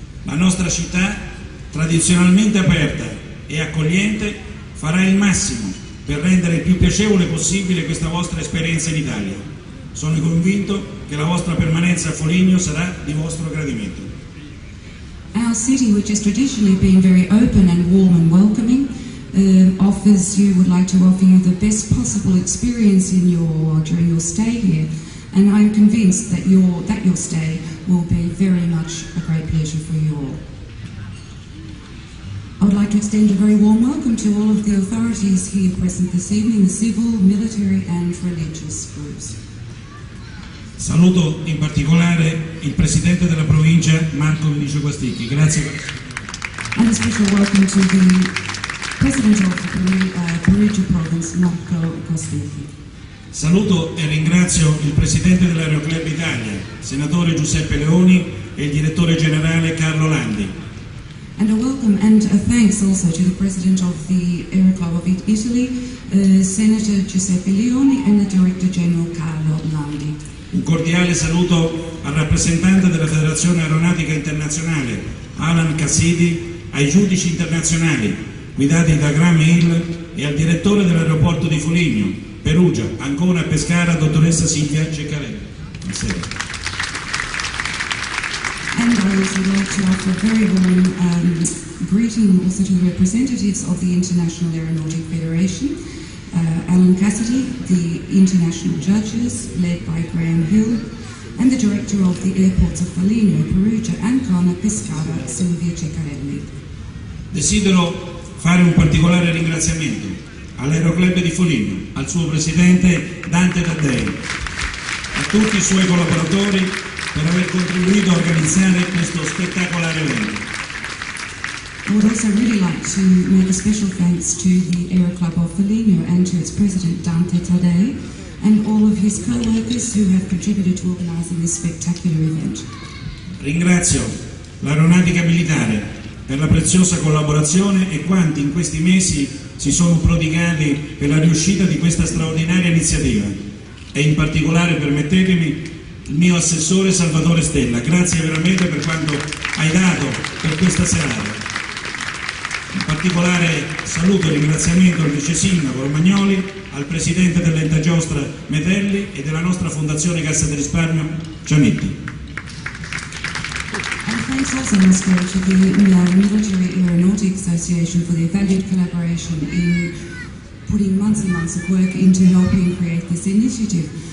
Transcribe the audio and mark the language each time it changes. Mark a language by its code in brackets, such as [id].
[it] La nostra città, tradizionalmente aperta e accogliente, farà il massimo per rendere il più piacevole possibile questa vostra esperienza in Italia. Sono convinto che la vostra permanenza a Foligno sarà di vostro gradimento. [en] Our city, which has traditionally been very open and warm and welcoming, would like to offer you the best possible experience during your stay here, and I'm convinced that your stay will be very much a great pleasure for you all. I would like to extend a very warm welcome to all of the authorities here present this evening, the civil, military and religious groups. [it] Saluto in particolare il presidente della provincia Marco Vinicio Guasticchi. Grazie. [en] And a special welcome to the president of the Perugia province, Marco Guasticchi. [it] Saluto e ringrazio il presidente dell'Aeroclub Italia, senatore Giuseppe Leoni, e il direttore generale Carlo Landi. [en] And a welcome and a thanks also to the president of the Air Club of Italy, Senator Giuseppe Leoni, and the director general Carlo Landi. [it] Un cordiale saluto al rappresentante della Federazione Aeronautica Internazionale, Alan Cassidy, ai giudici internazionali, guidati da Graham Hill, e al direttore dell'aeroporto di Foligno, Perugia, Ancona e Pescara, dottoressa Silvia Ceccarelli. Buonasera. [en] And I also like to offer a very warm greeting also to the representatives of the International Aeronautic Federation, Alan Cassidy, the international judges led by Graham Hill, and the director of the airports of Foligno, Perugia, Ancona, Pescara, Silvia Ceccarelli. [it] Desidero fare un particolare ringraziamento all'Aeroclub di Foligno, al suo presidente Dante Taddei, a tutti i suoi collaboratori per aver contribuito a organizzare questo spettacolare evento. [en] I would also really like to make a special thanks to the Aero Club of Foligno and to its president Dante Taddei and all of his co-workers who have contributed to organizing this spectacular event. [it] Ringrazio l'Aeronautica Militare per la preziosa collaborazione e quanti in questi mesi si sono prodigati per la riuscita di questa straordinaria iniziativa. E in particolare, permettetemi, il mio assessore Salvatore Stella, grazie veramente per quanto hai dato per questa serata. Un particolare saluto e ringraziamento al vice sindaco Romagnoli, al presidente dell'Ente Giostra Metelli e della nostra fondazione Cassa del Risparmio Giannetti. [en] And thanks also must go to the Military Aeronautic Association for their valued collaboration in putting months and months of work into helping create this initiative.